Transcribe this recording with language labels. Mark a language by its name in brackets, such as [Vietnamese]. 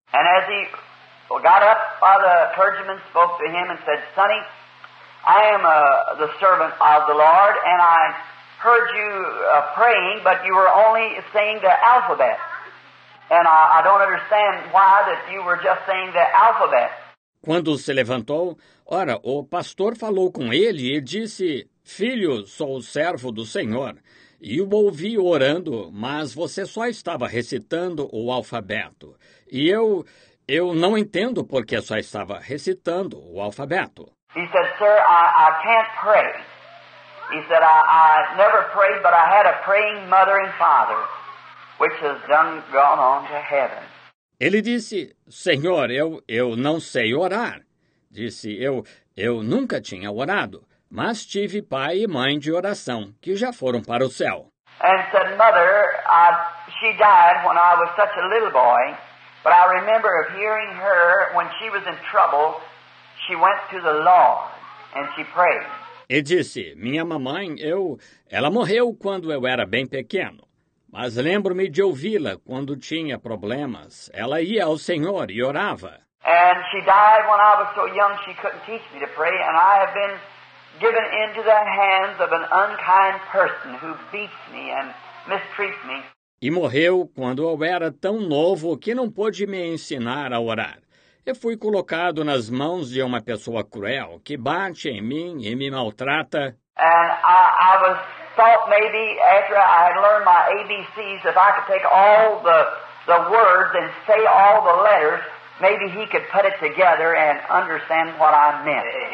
[English] And as he got up, the clergyman spoke to him and said, Sonny, I am the servant of the Lord and I heard you praying, but you were only saying the alphabet. And I don't understand why that you were just saying the alphabet. [Portuguese] Quando se levantou, ora, o pastor falou com ele e disse, Filho, sou o servo do Senhor. E o ouvi orando, mas você só estava recitando o alfabeto. E eu não entendo porque só estava recitando o alfabeto. [English] He said, Sir, I can't pray. He said, I never prayed, but I had a praying mother and father, which has gone on to heaven. [Portuguese] Ele disse, Senhor, eu não sei orar. Disse, eu nunca tinha orado, mas tive pai e mãe de oração, que já foram para o céu. [English] And said, Mother, she died when I was such a little boy, but I remember of hearing her when she was in trouble, she went to the Lord and she prayed. [Portuguese] E disse, minha mamãe, ela morreu quando eu era bem pequeno. Mas lembro-me de ouvi-la quando tinha problemas. Ela ia ao Senhor e orava. [English] And she died when I was so young she couldn't teach me to pray, and I have been given into the hands of an unkind person who beats me and mistreats me. [Portuguese] E morreu quando eu era tão novo que não pôde me ensinar a orar. Eu fui colocado nas mãos de uma pessoa cruel que bate em mim e me maltrata. [English] And I was thought maybe after I had learned my ABCs, if I could take all the words and say all the letters, maybe he could put it together and understand what I meant.